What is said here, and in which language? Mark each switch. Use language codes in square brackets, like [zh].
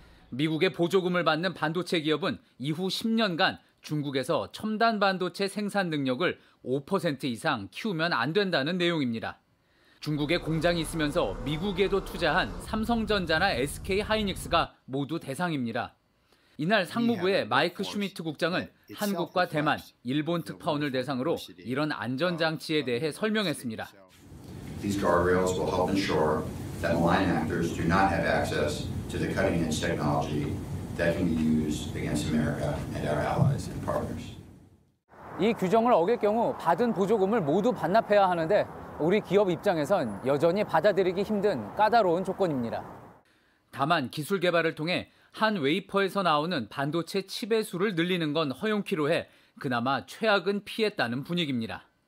[ko] 미국의 보조금을 받는 반도체 기업은 이후 10년간 중국에서 첨단 반도체 생산 능력을 5% 이상 키우면 안 된다는 내용입니다. 중국에 공장이 있으면서 미국에도 투자한 삼성전자나 SK하이닉스가 모두 대상입니다. 이날 상무부의 마이크 슈미트 국장은 한국과 대만, 일본 특파원을 대상으로 이런 안전장치에 대해 설명했습니다. [en] These guardrails will help ensure that malign actors do not have access to the cutting-edge technology that can be used against America and our allies and partners. [ko] 이 규정을 어길 경우 받은 보조금을 모두 반납해야 하는데 우리 기업 입장에선 여전히 받아들이기 힘든 까다로운 조건입니다. 다만 기술 개발을 통해 한 웨이퍼에서 나오는 반도체 칩의 수를 늘리는 건 허용키로 해 그나마 최악은 피했다는 분위기입니다.